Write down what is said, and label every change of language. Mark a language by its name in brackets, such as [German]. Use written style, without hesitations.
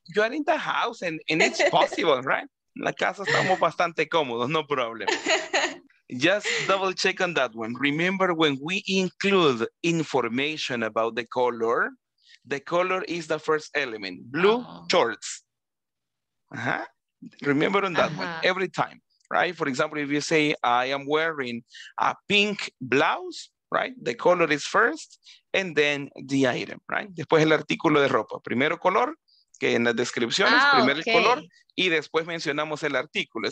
[English] You are in the house and it's possible, right? [Spanish] En la casa estamos bastante cómodos, [English] no problem. Just double check on that one. Remember, when we include information about the color is the first element. Blue shorts. Uh-huh. Remember on that one every time. Right. For example, if you say I am wearing a pink blouse, right? The color is first and then the item, right? [Spanish] Después el artículo de ropa. Primero color, que en las descripciones, primero el color, y después mencionamos el artículo.